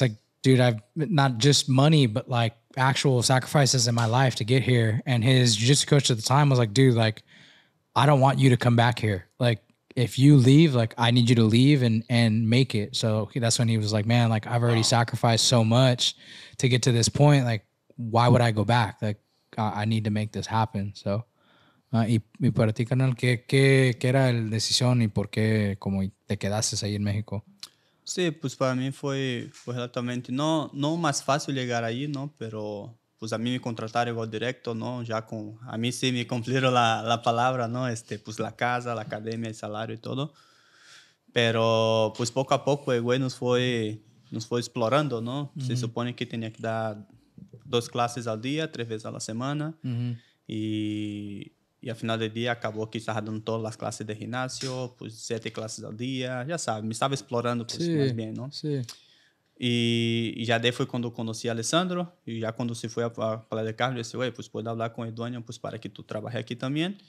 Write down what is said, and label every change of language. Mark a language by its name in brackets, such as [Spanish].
[English] Like, dude, I've not just money, but like actual sacrifices in my life to get here. And his jiu-jitsu coach at the time was like, dude, like, I don't want you to come back here. Like, if you leave, like, I need you to leave and make it. So that's when he was like, man, like, I've already sacrificed so much to get to this point. Like, why would I go back? Like, I need to make this happen. So. [Spanish] Y para ti, carnal, ¿qué era la decisión y por qué como te quedaste ahí en México? Sí, pues para mí fue relativamente, no más fácil llegar ahí, ¿no? Pero pues a mí me contrataron igual directo, ¿no? Ya con, a mí sí me cumplieron la palabra, ¿no? Pues la casa, la academia, el salario y todo. Pero pues poco a poco el güey nos fue explorando, ¿no? Uh-huh. Se supone que tenía que dar 2 clases al día, 3 veces a la semana. Uh-huh. Y... [Portuguese] E ao final do dia, acabou que estava dando todas as classes de ginásio, pus 7 classes ao dia, já sabe, me estava explorando pues, sí, mais bem, não? Sim. [Spanish] Sí. [Portuguese] E já daí foi quando conheci Alessandro, e já quando se foi a falar de carro, eu disse, ué, pues pode falar com o Eduardo, pues para que tu trabalhe aqui também.